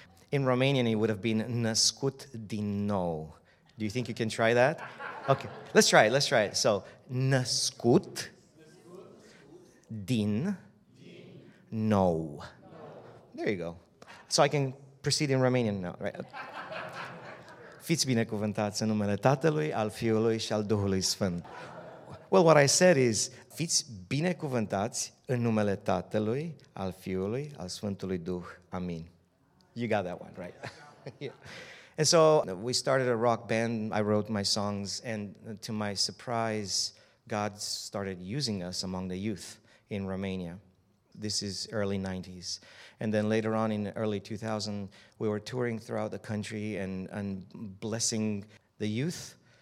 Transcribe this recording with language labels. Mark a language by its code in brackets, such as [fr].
[en] In Romanian, it would have been [ro] Născut din nou. [en] Do you think you can try that? Okay, let's try it. So, [ro] Născut din nou. [en] There you go. So I can proceed in Romanian now, right? [ro] Fiți binecuvântați în numele Tatălui, al Fiului și al Duhului Sfânt. [en] Well, what I said is, [ro] fiți binecuvântați în numele Tatălui, al Fiului, al Sfântului Duh. [en] Amin. You got that one, right? Yeah. And so we started a rock band. I wrote my songs. And to my surprise, God started using us among the youth in Romania. This is early 90s. And then later on in early 2000, we were touring throughout the country and blessing the youth.